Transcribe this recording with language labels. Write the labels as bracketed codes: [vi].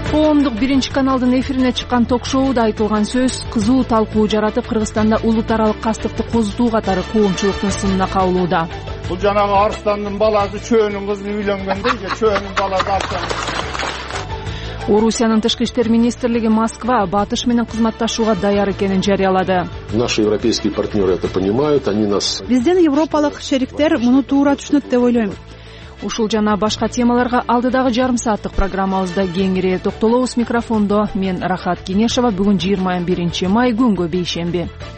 [ky] Коомдук биринчи каналдын эфирине чыккан ток-шоуда айтылган сөз кызуу талкуу жаратып, Кыргызстанда улут аралык кастыкты козутуу катары коомчулуктун сынына кабылууда. Бул жанагы арстандын баласы чөөнүн кызы үйлөнгөндөй же чөөнүн баласы арстан. Орусиянын тышкы иштер министрлиги Москва Батыш менен кызматташууга даяр экенин жарыялады. [ru] Наши европейские партнеры это понимают, они нас. [ky] Биздин европалык шериктер муну туура түшүнөт деп ойлойм. Ушул жана башка темаларга алдыдагы жарым сааттык программабызда кеңирээ токтолобуз. Микрофондо мен Рахат Кенешова. Бүгүн 21 май күнгө бейшемби.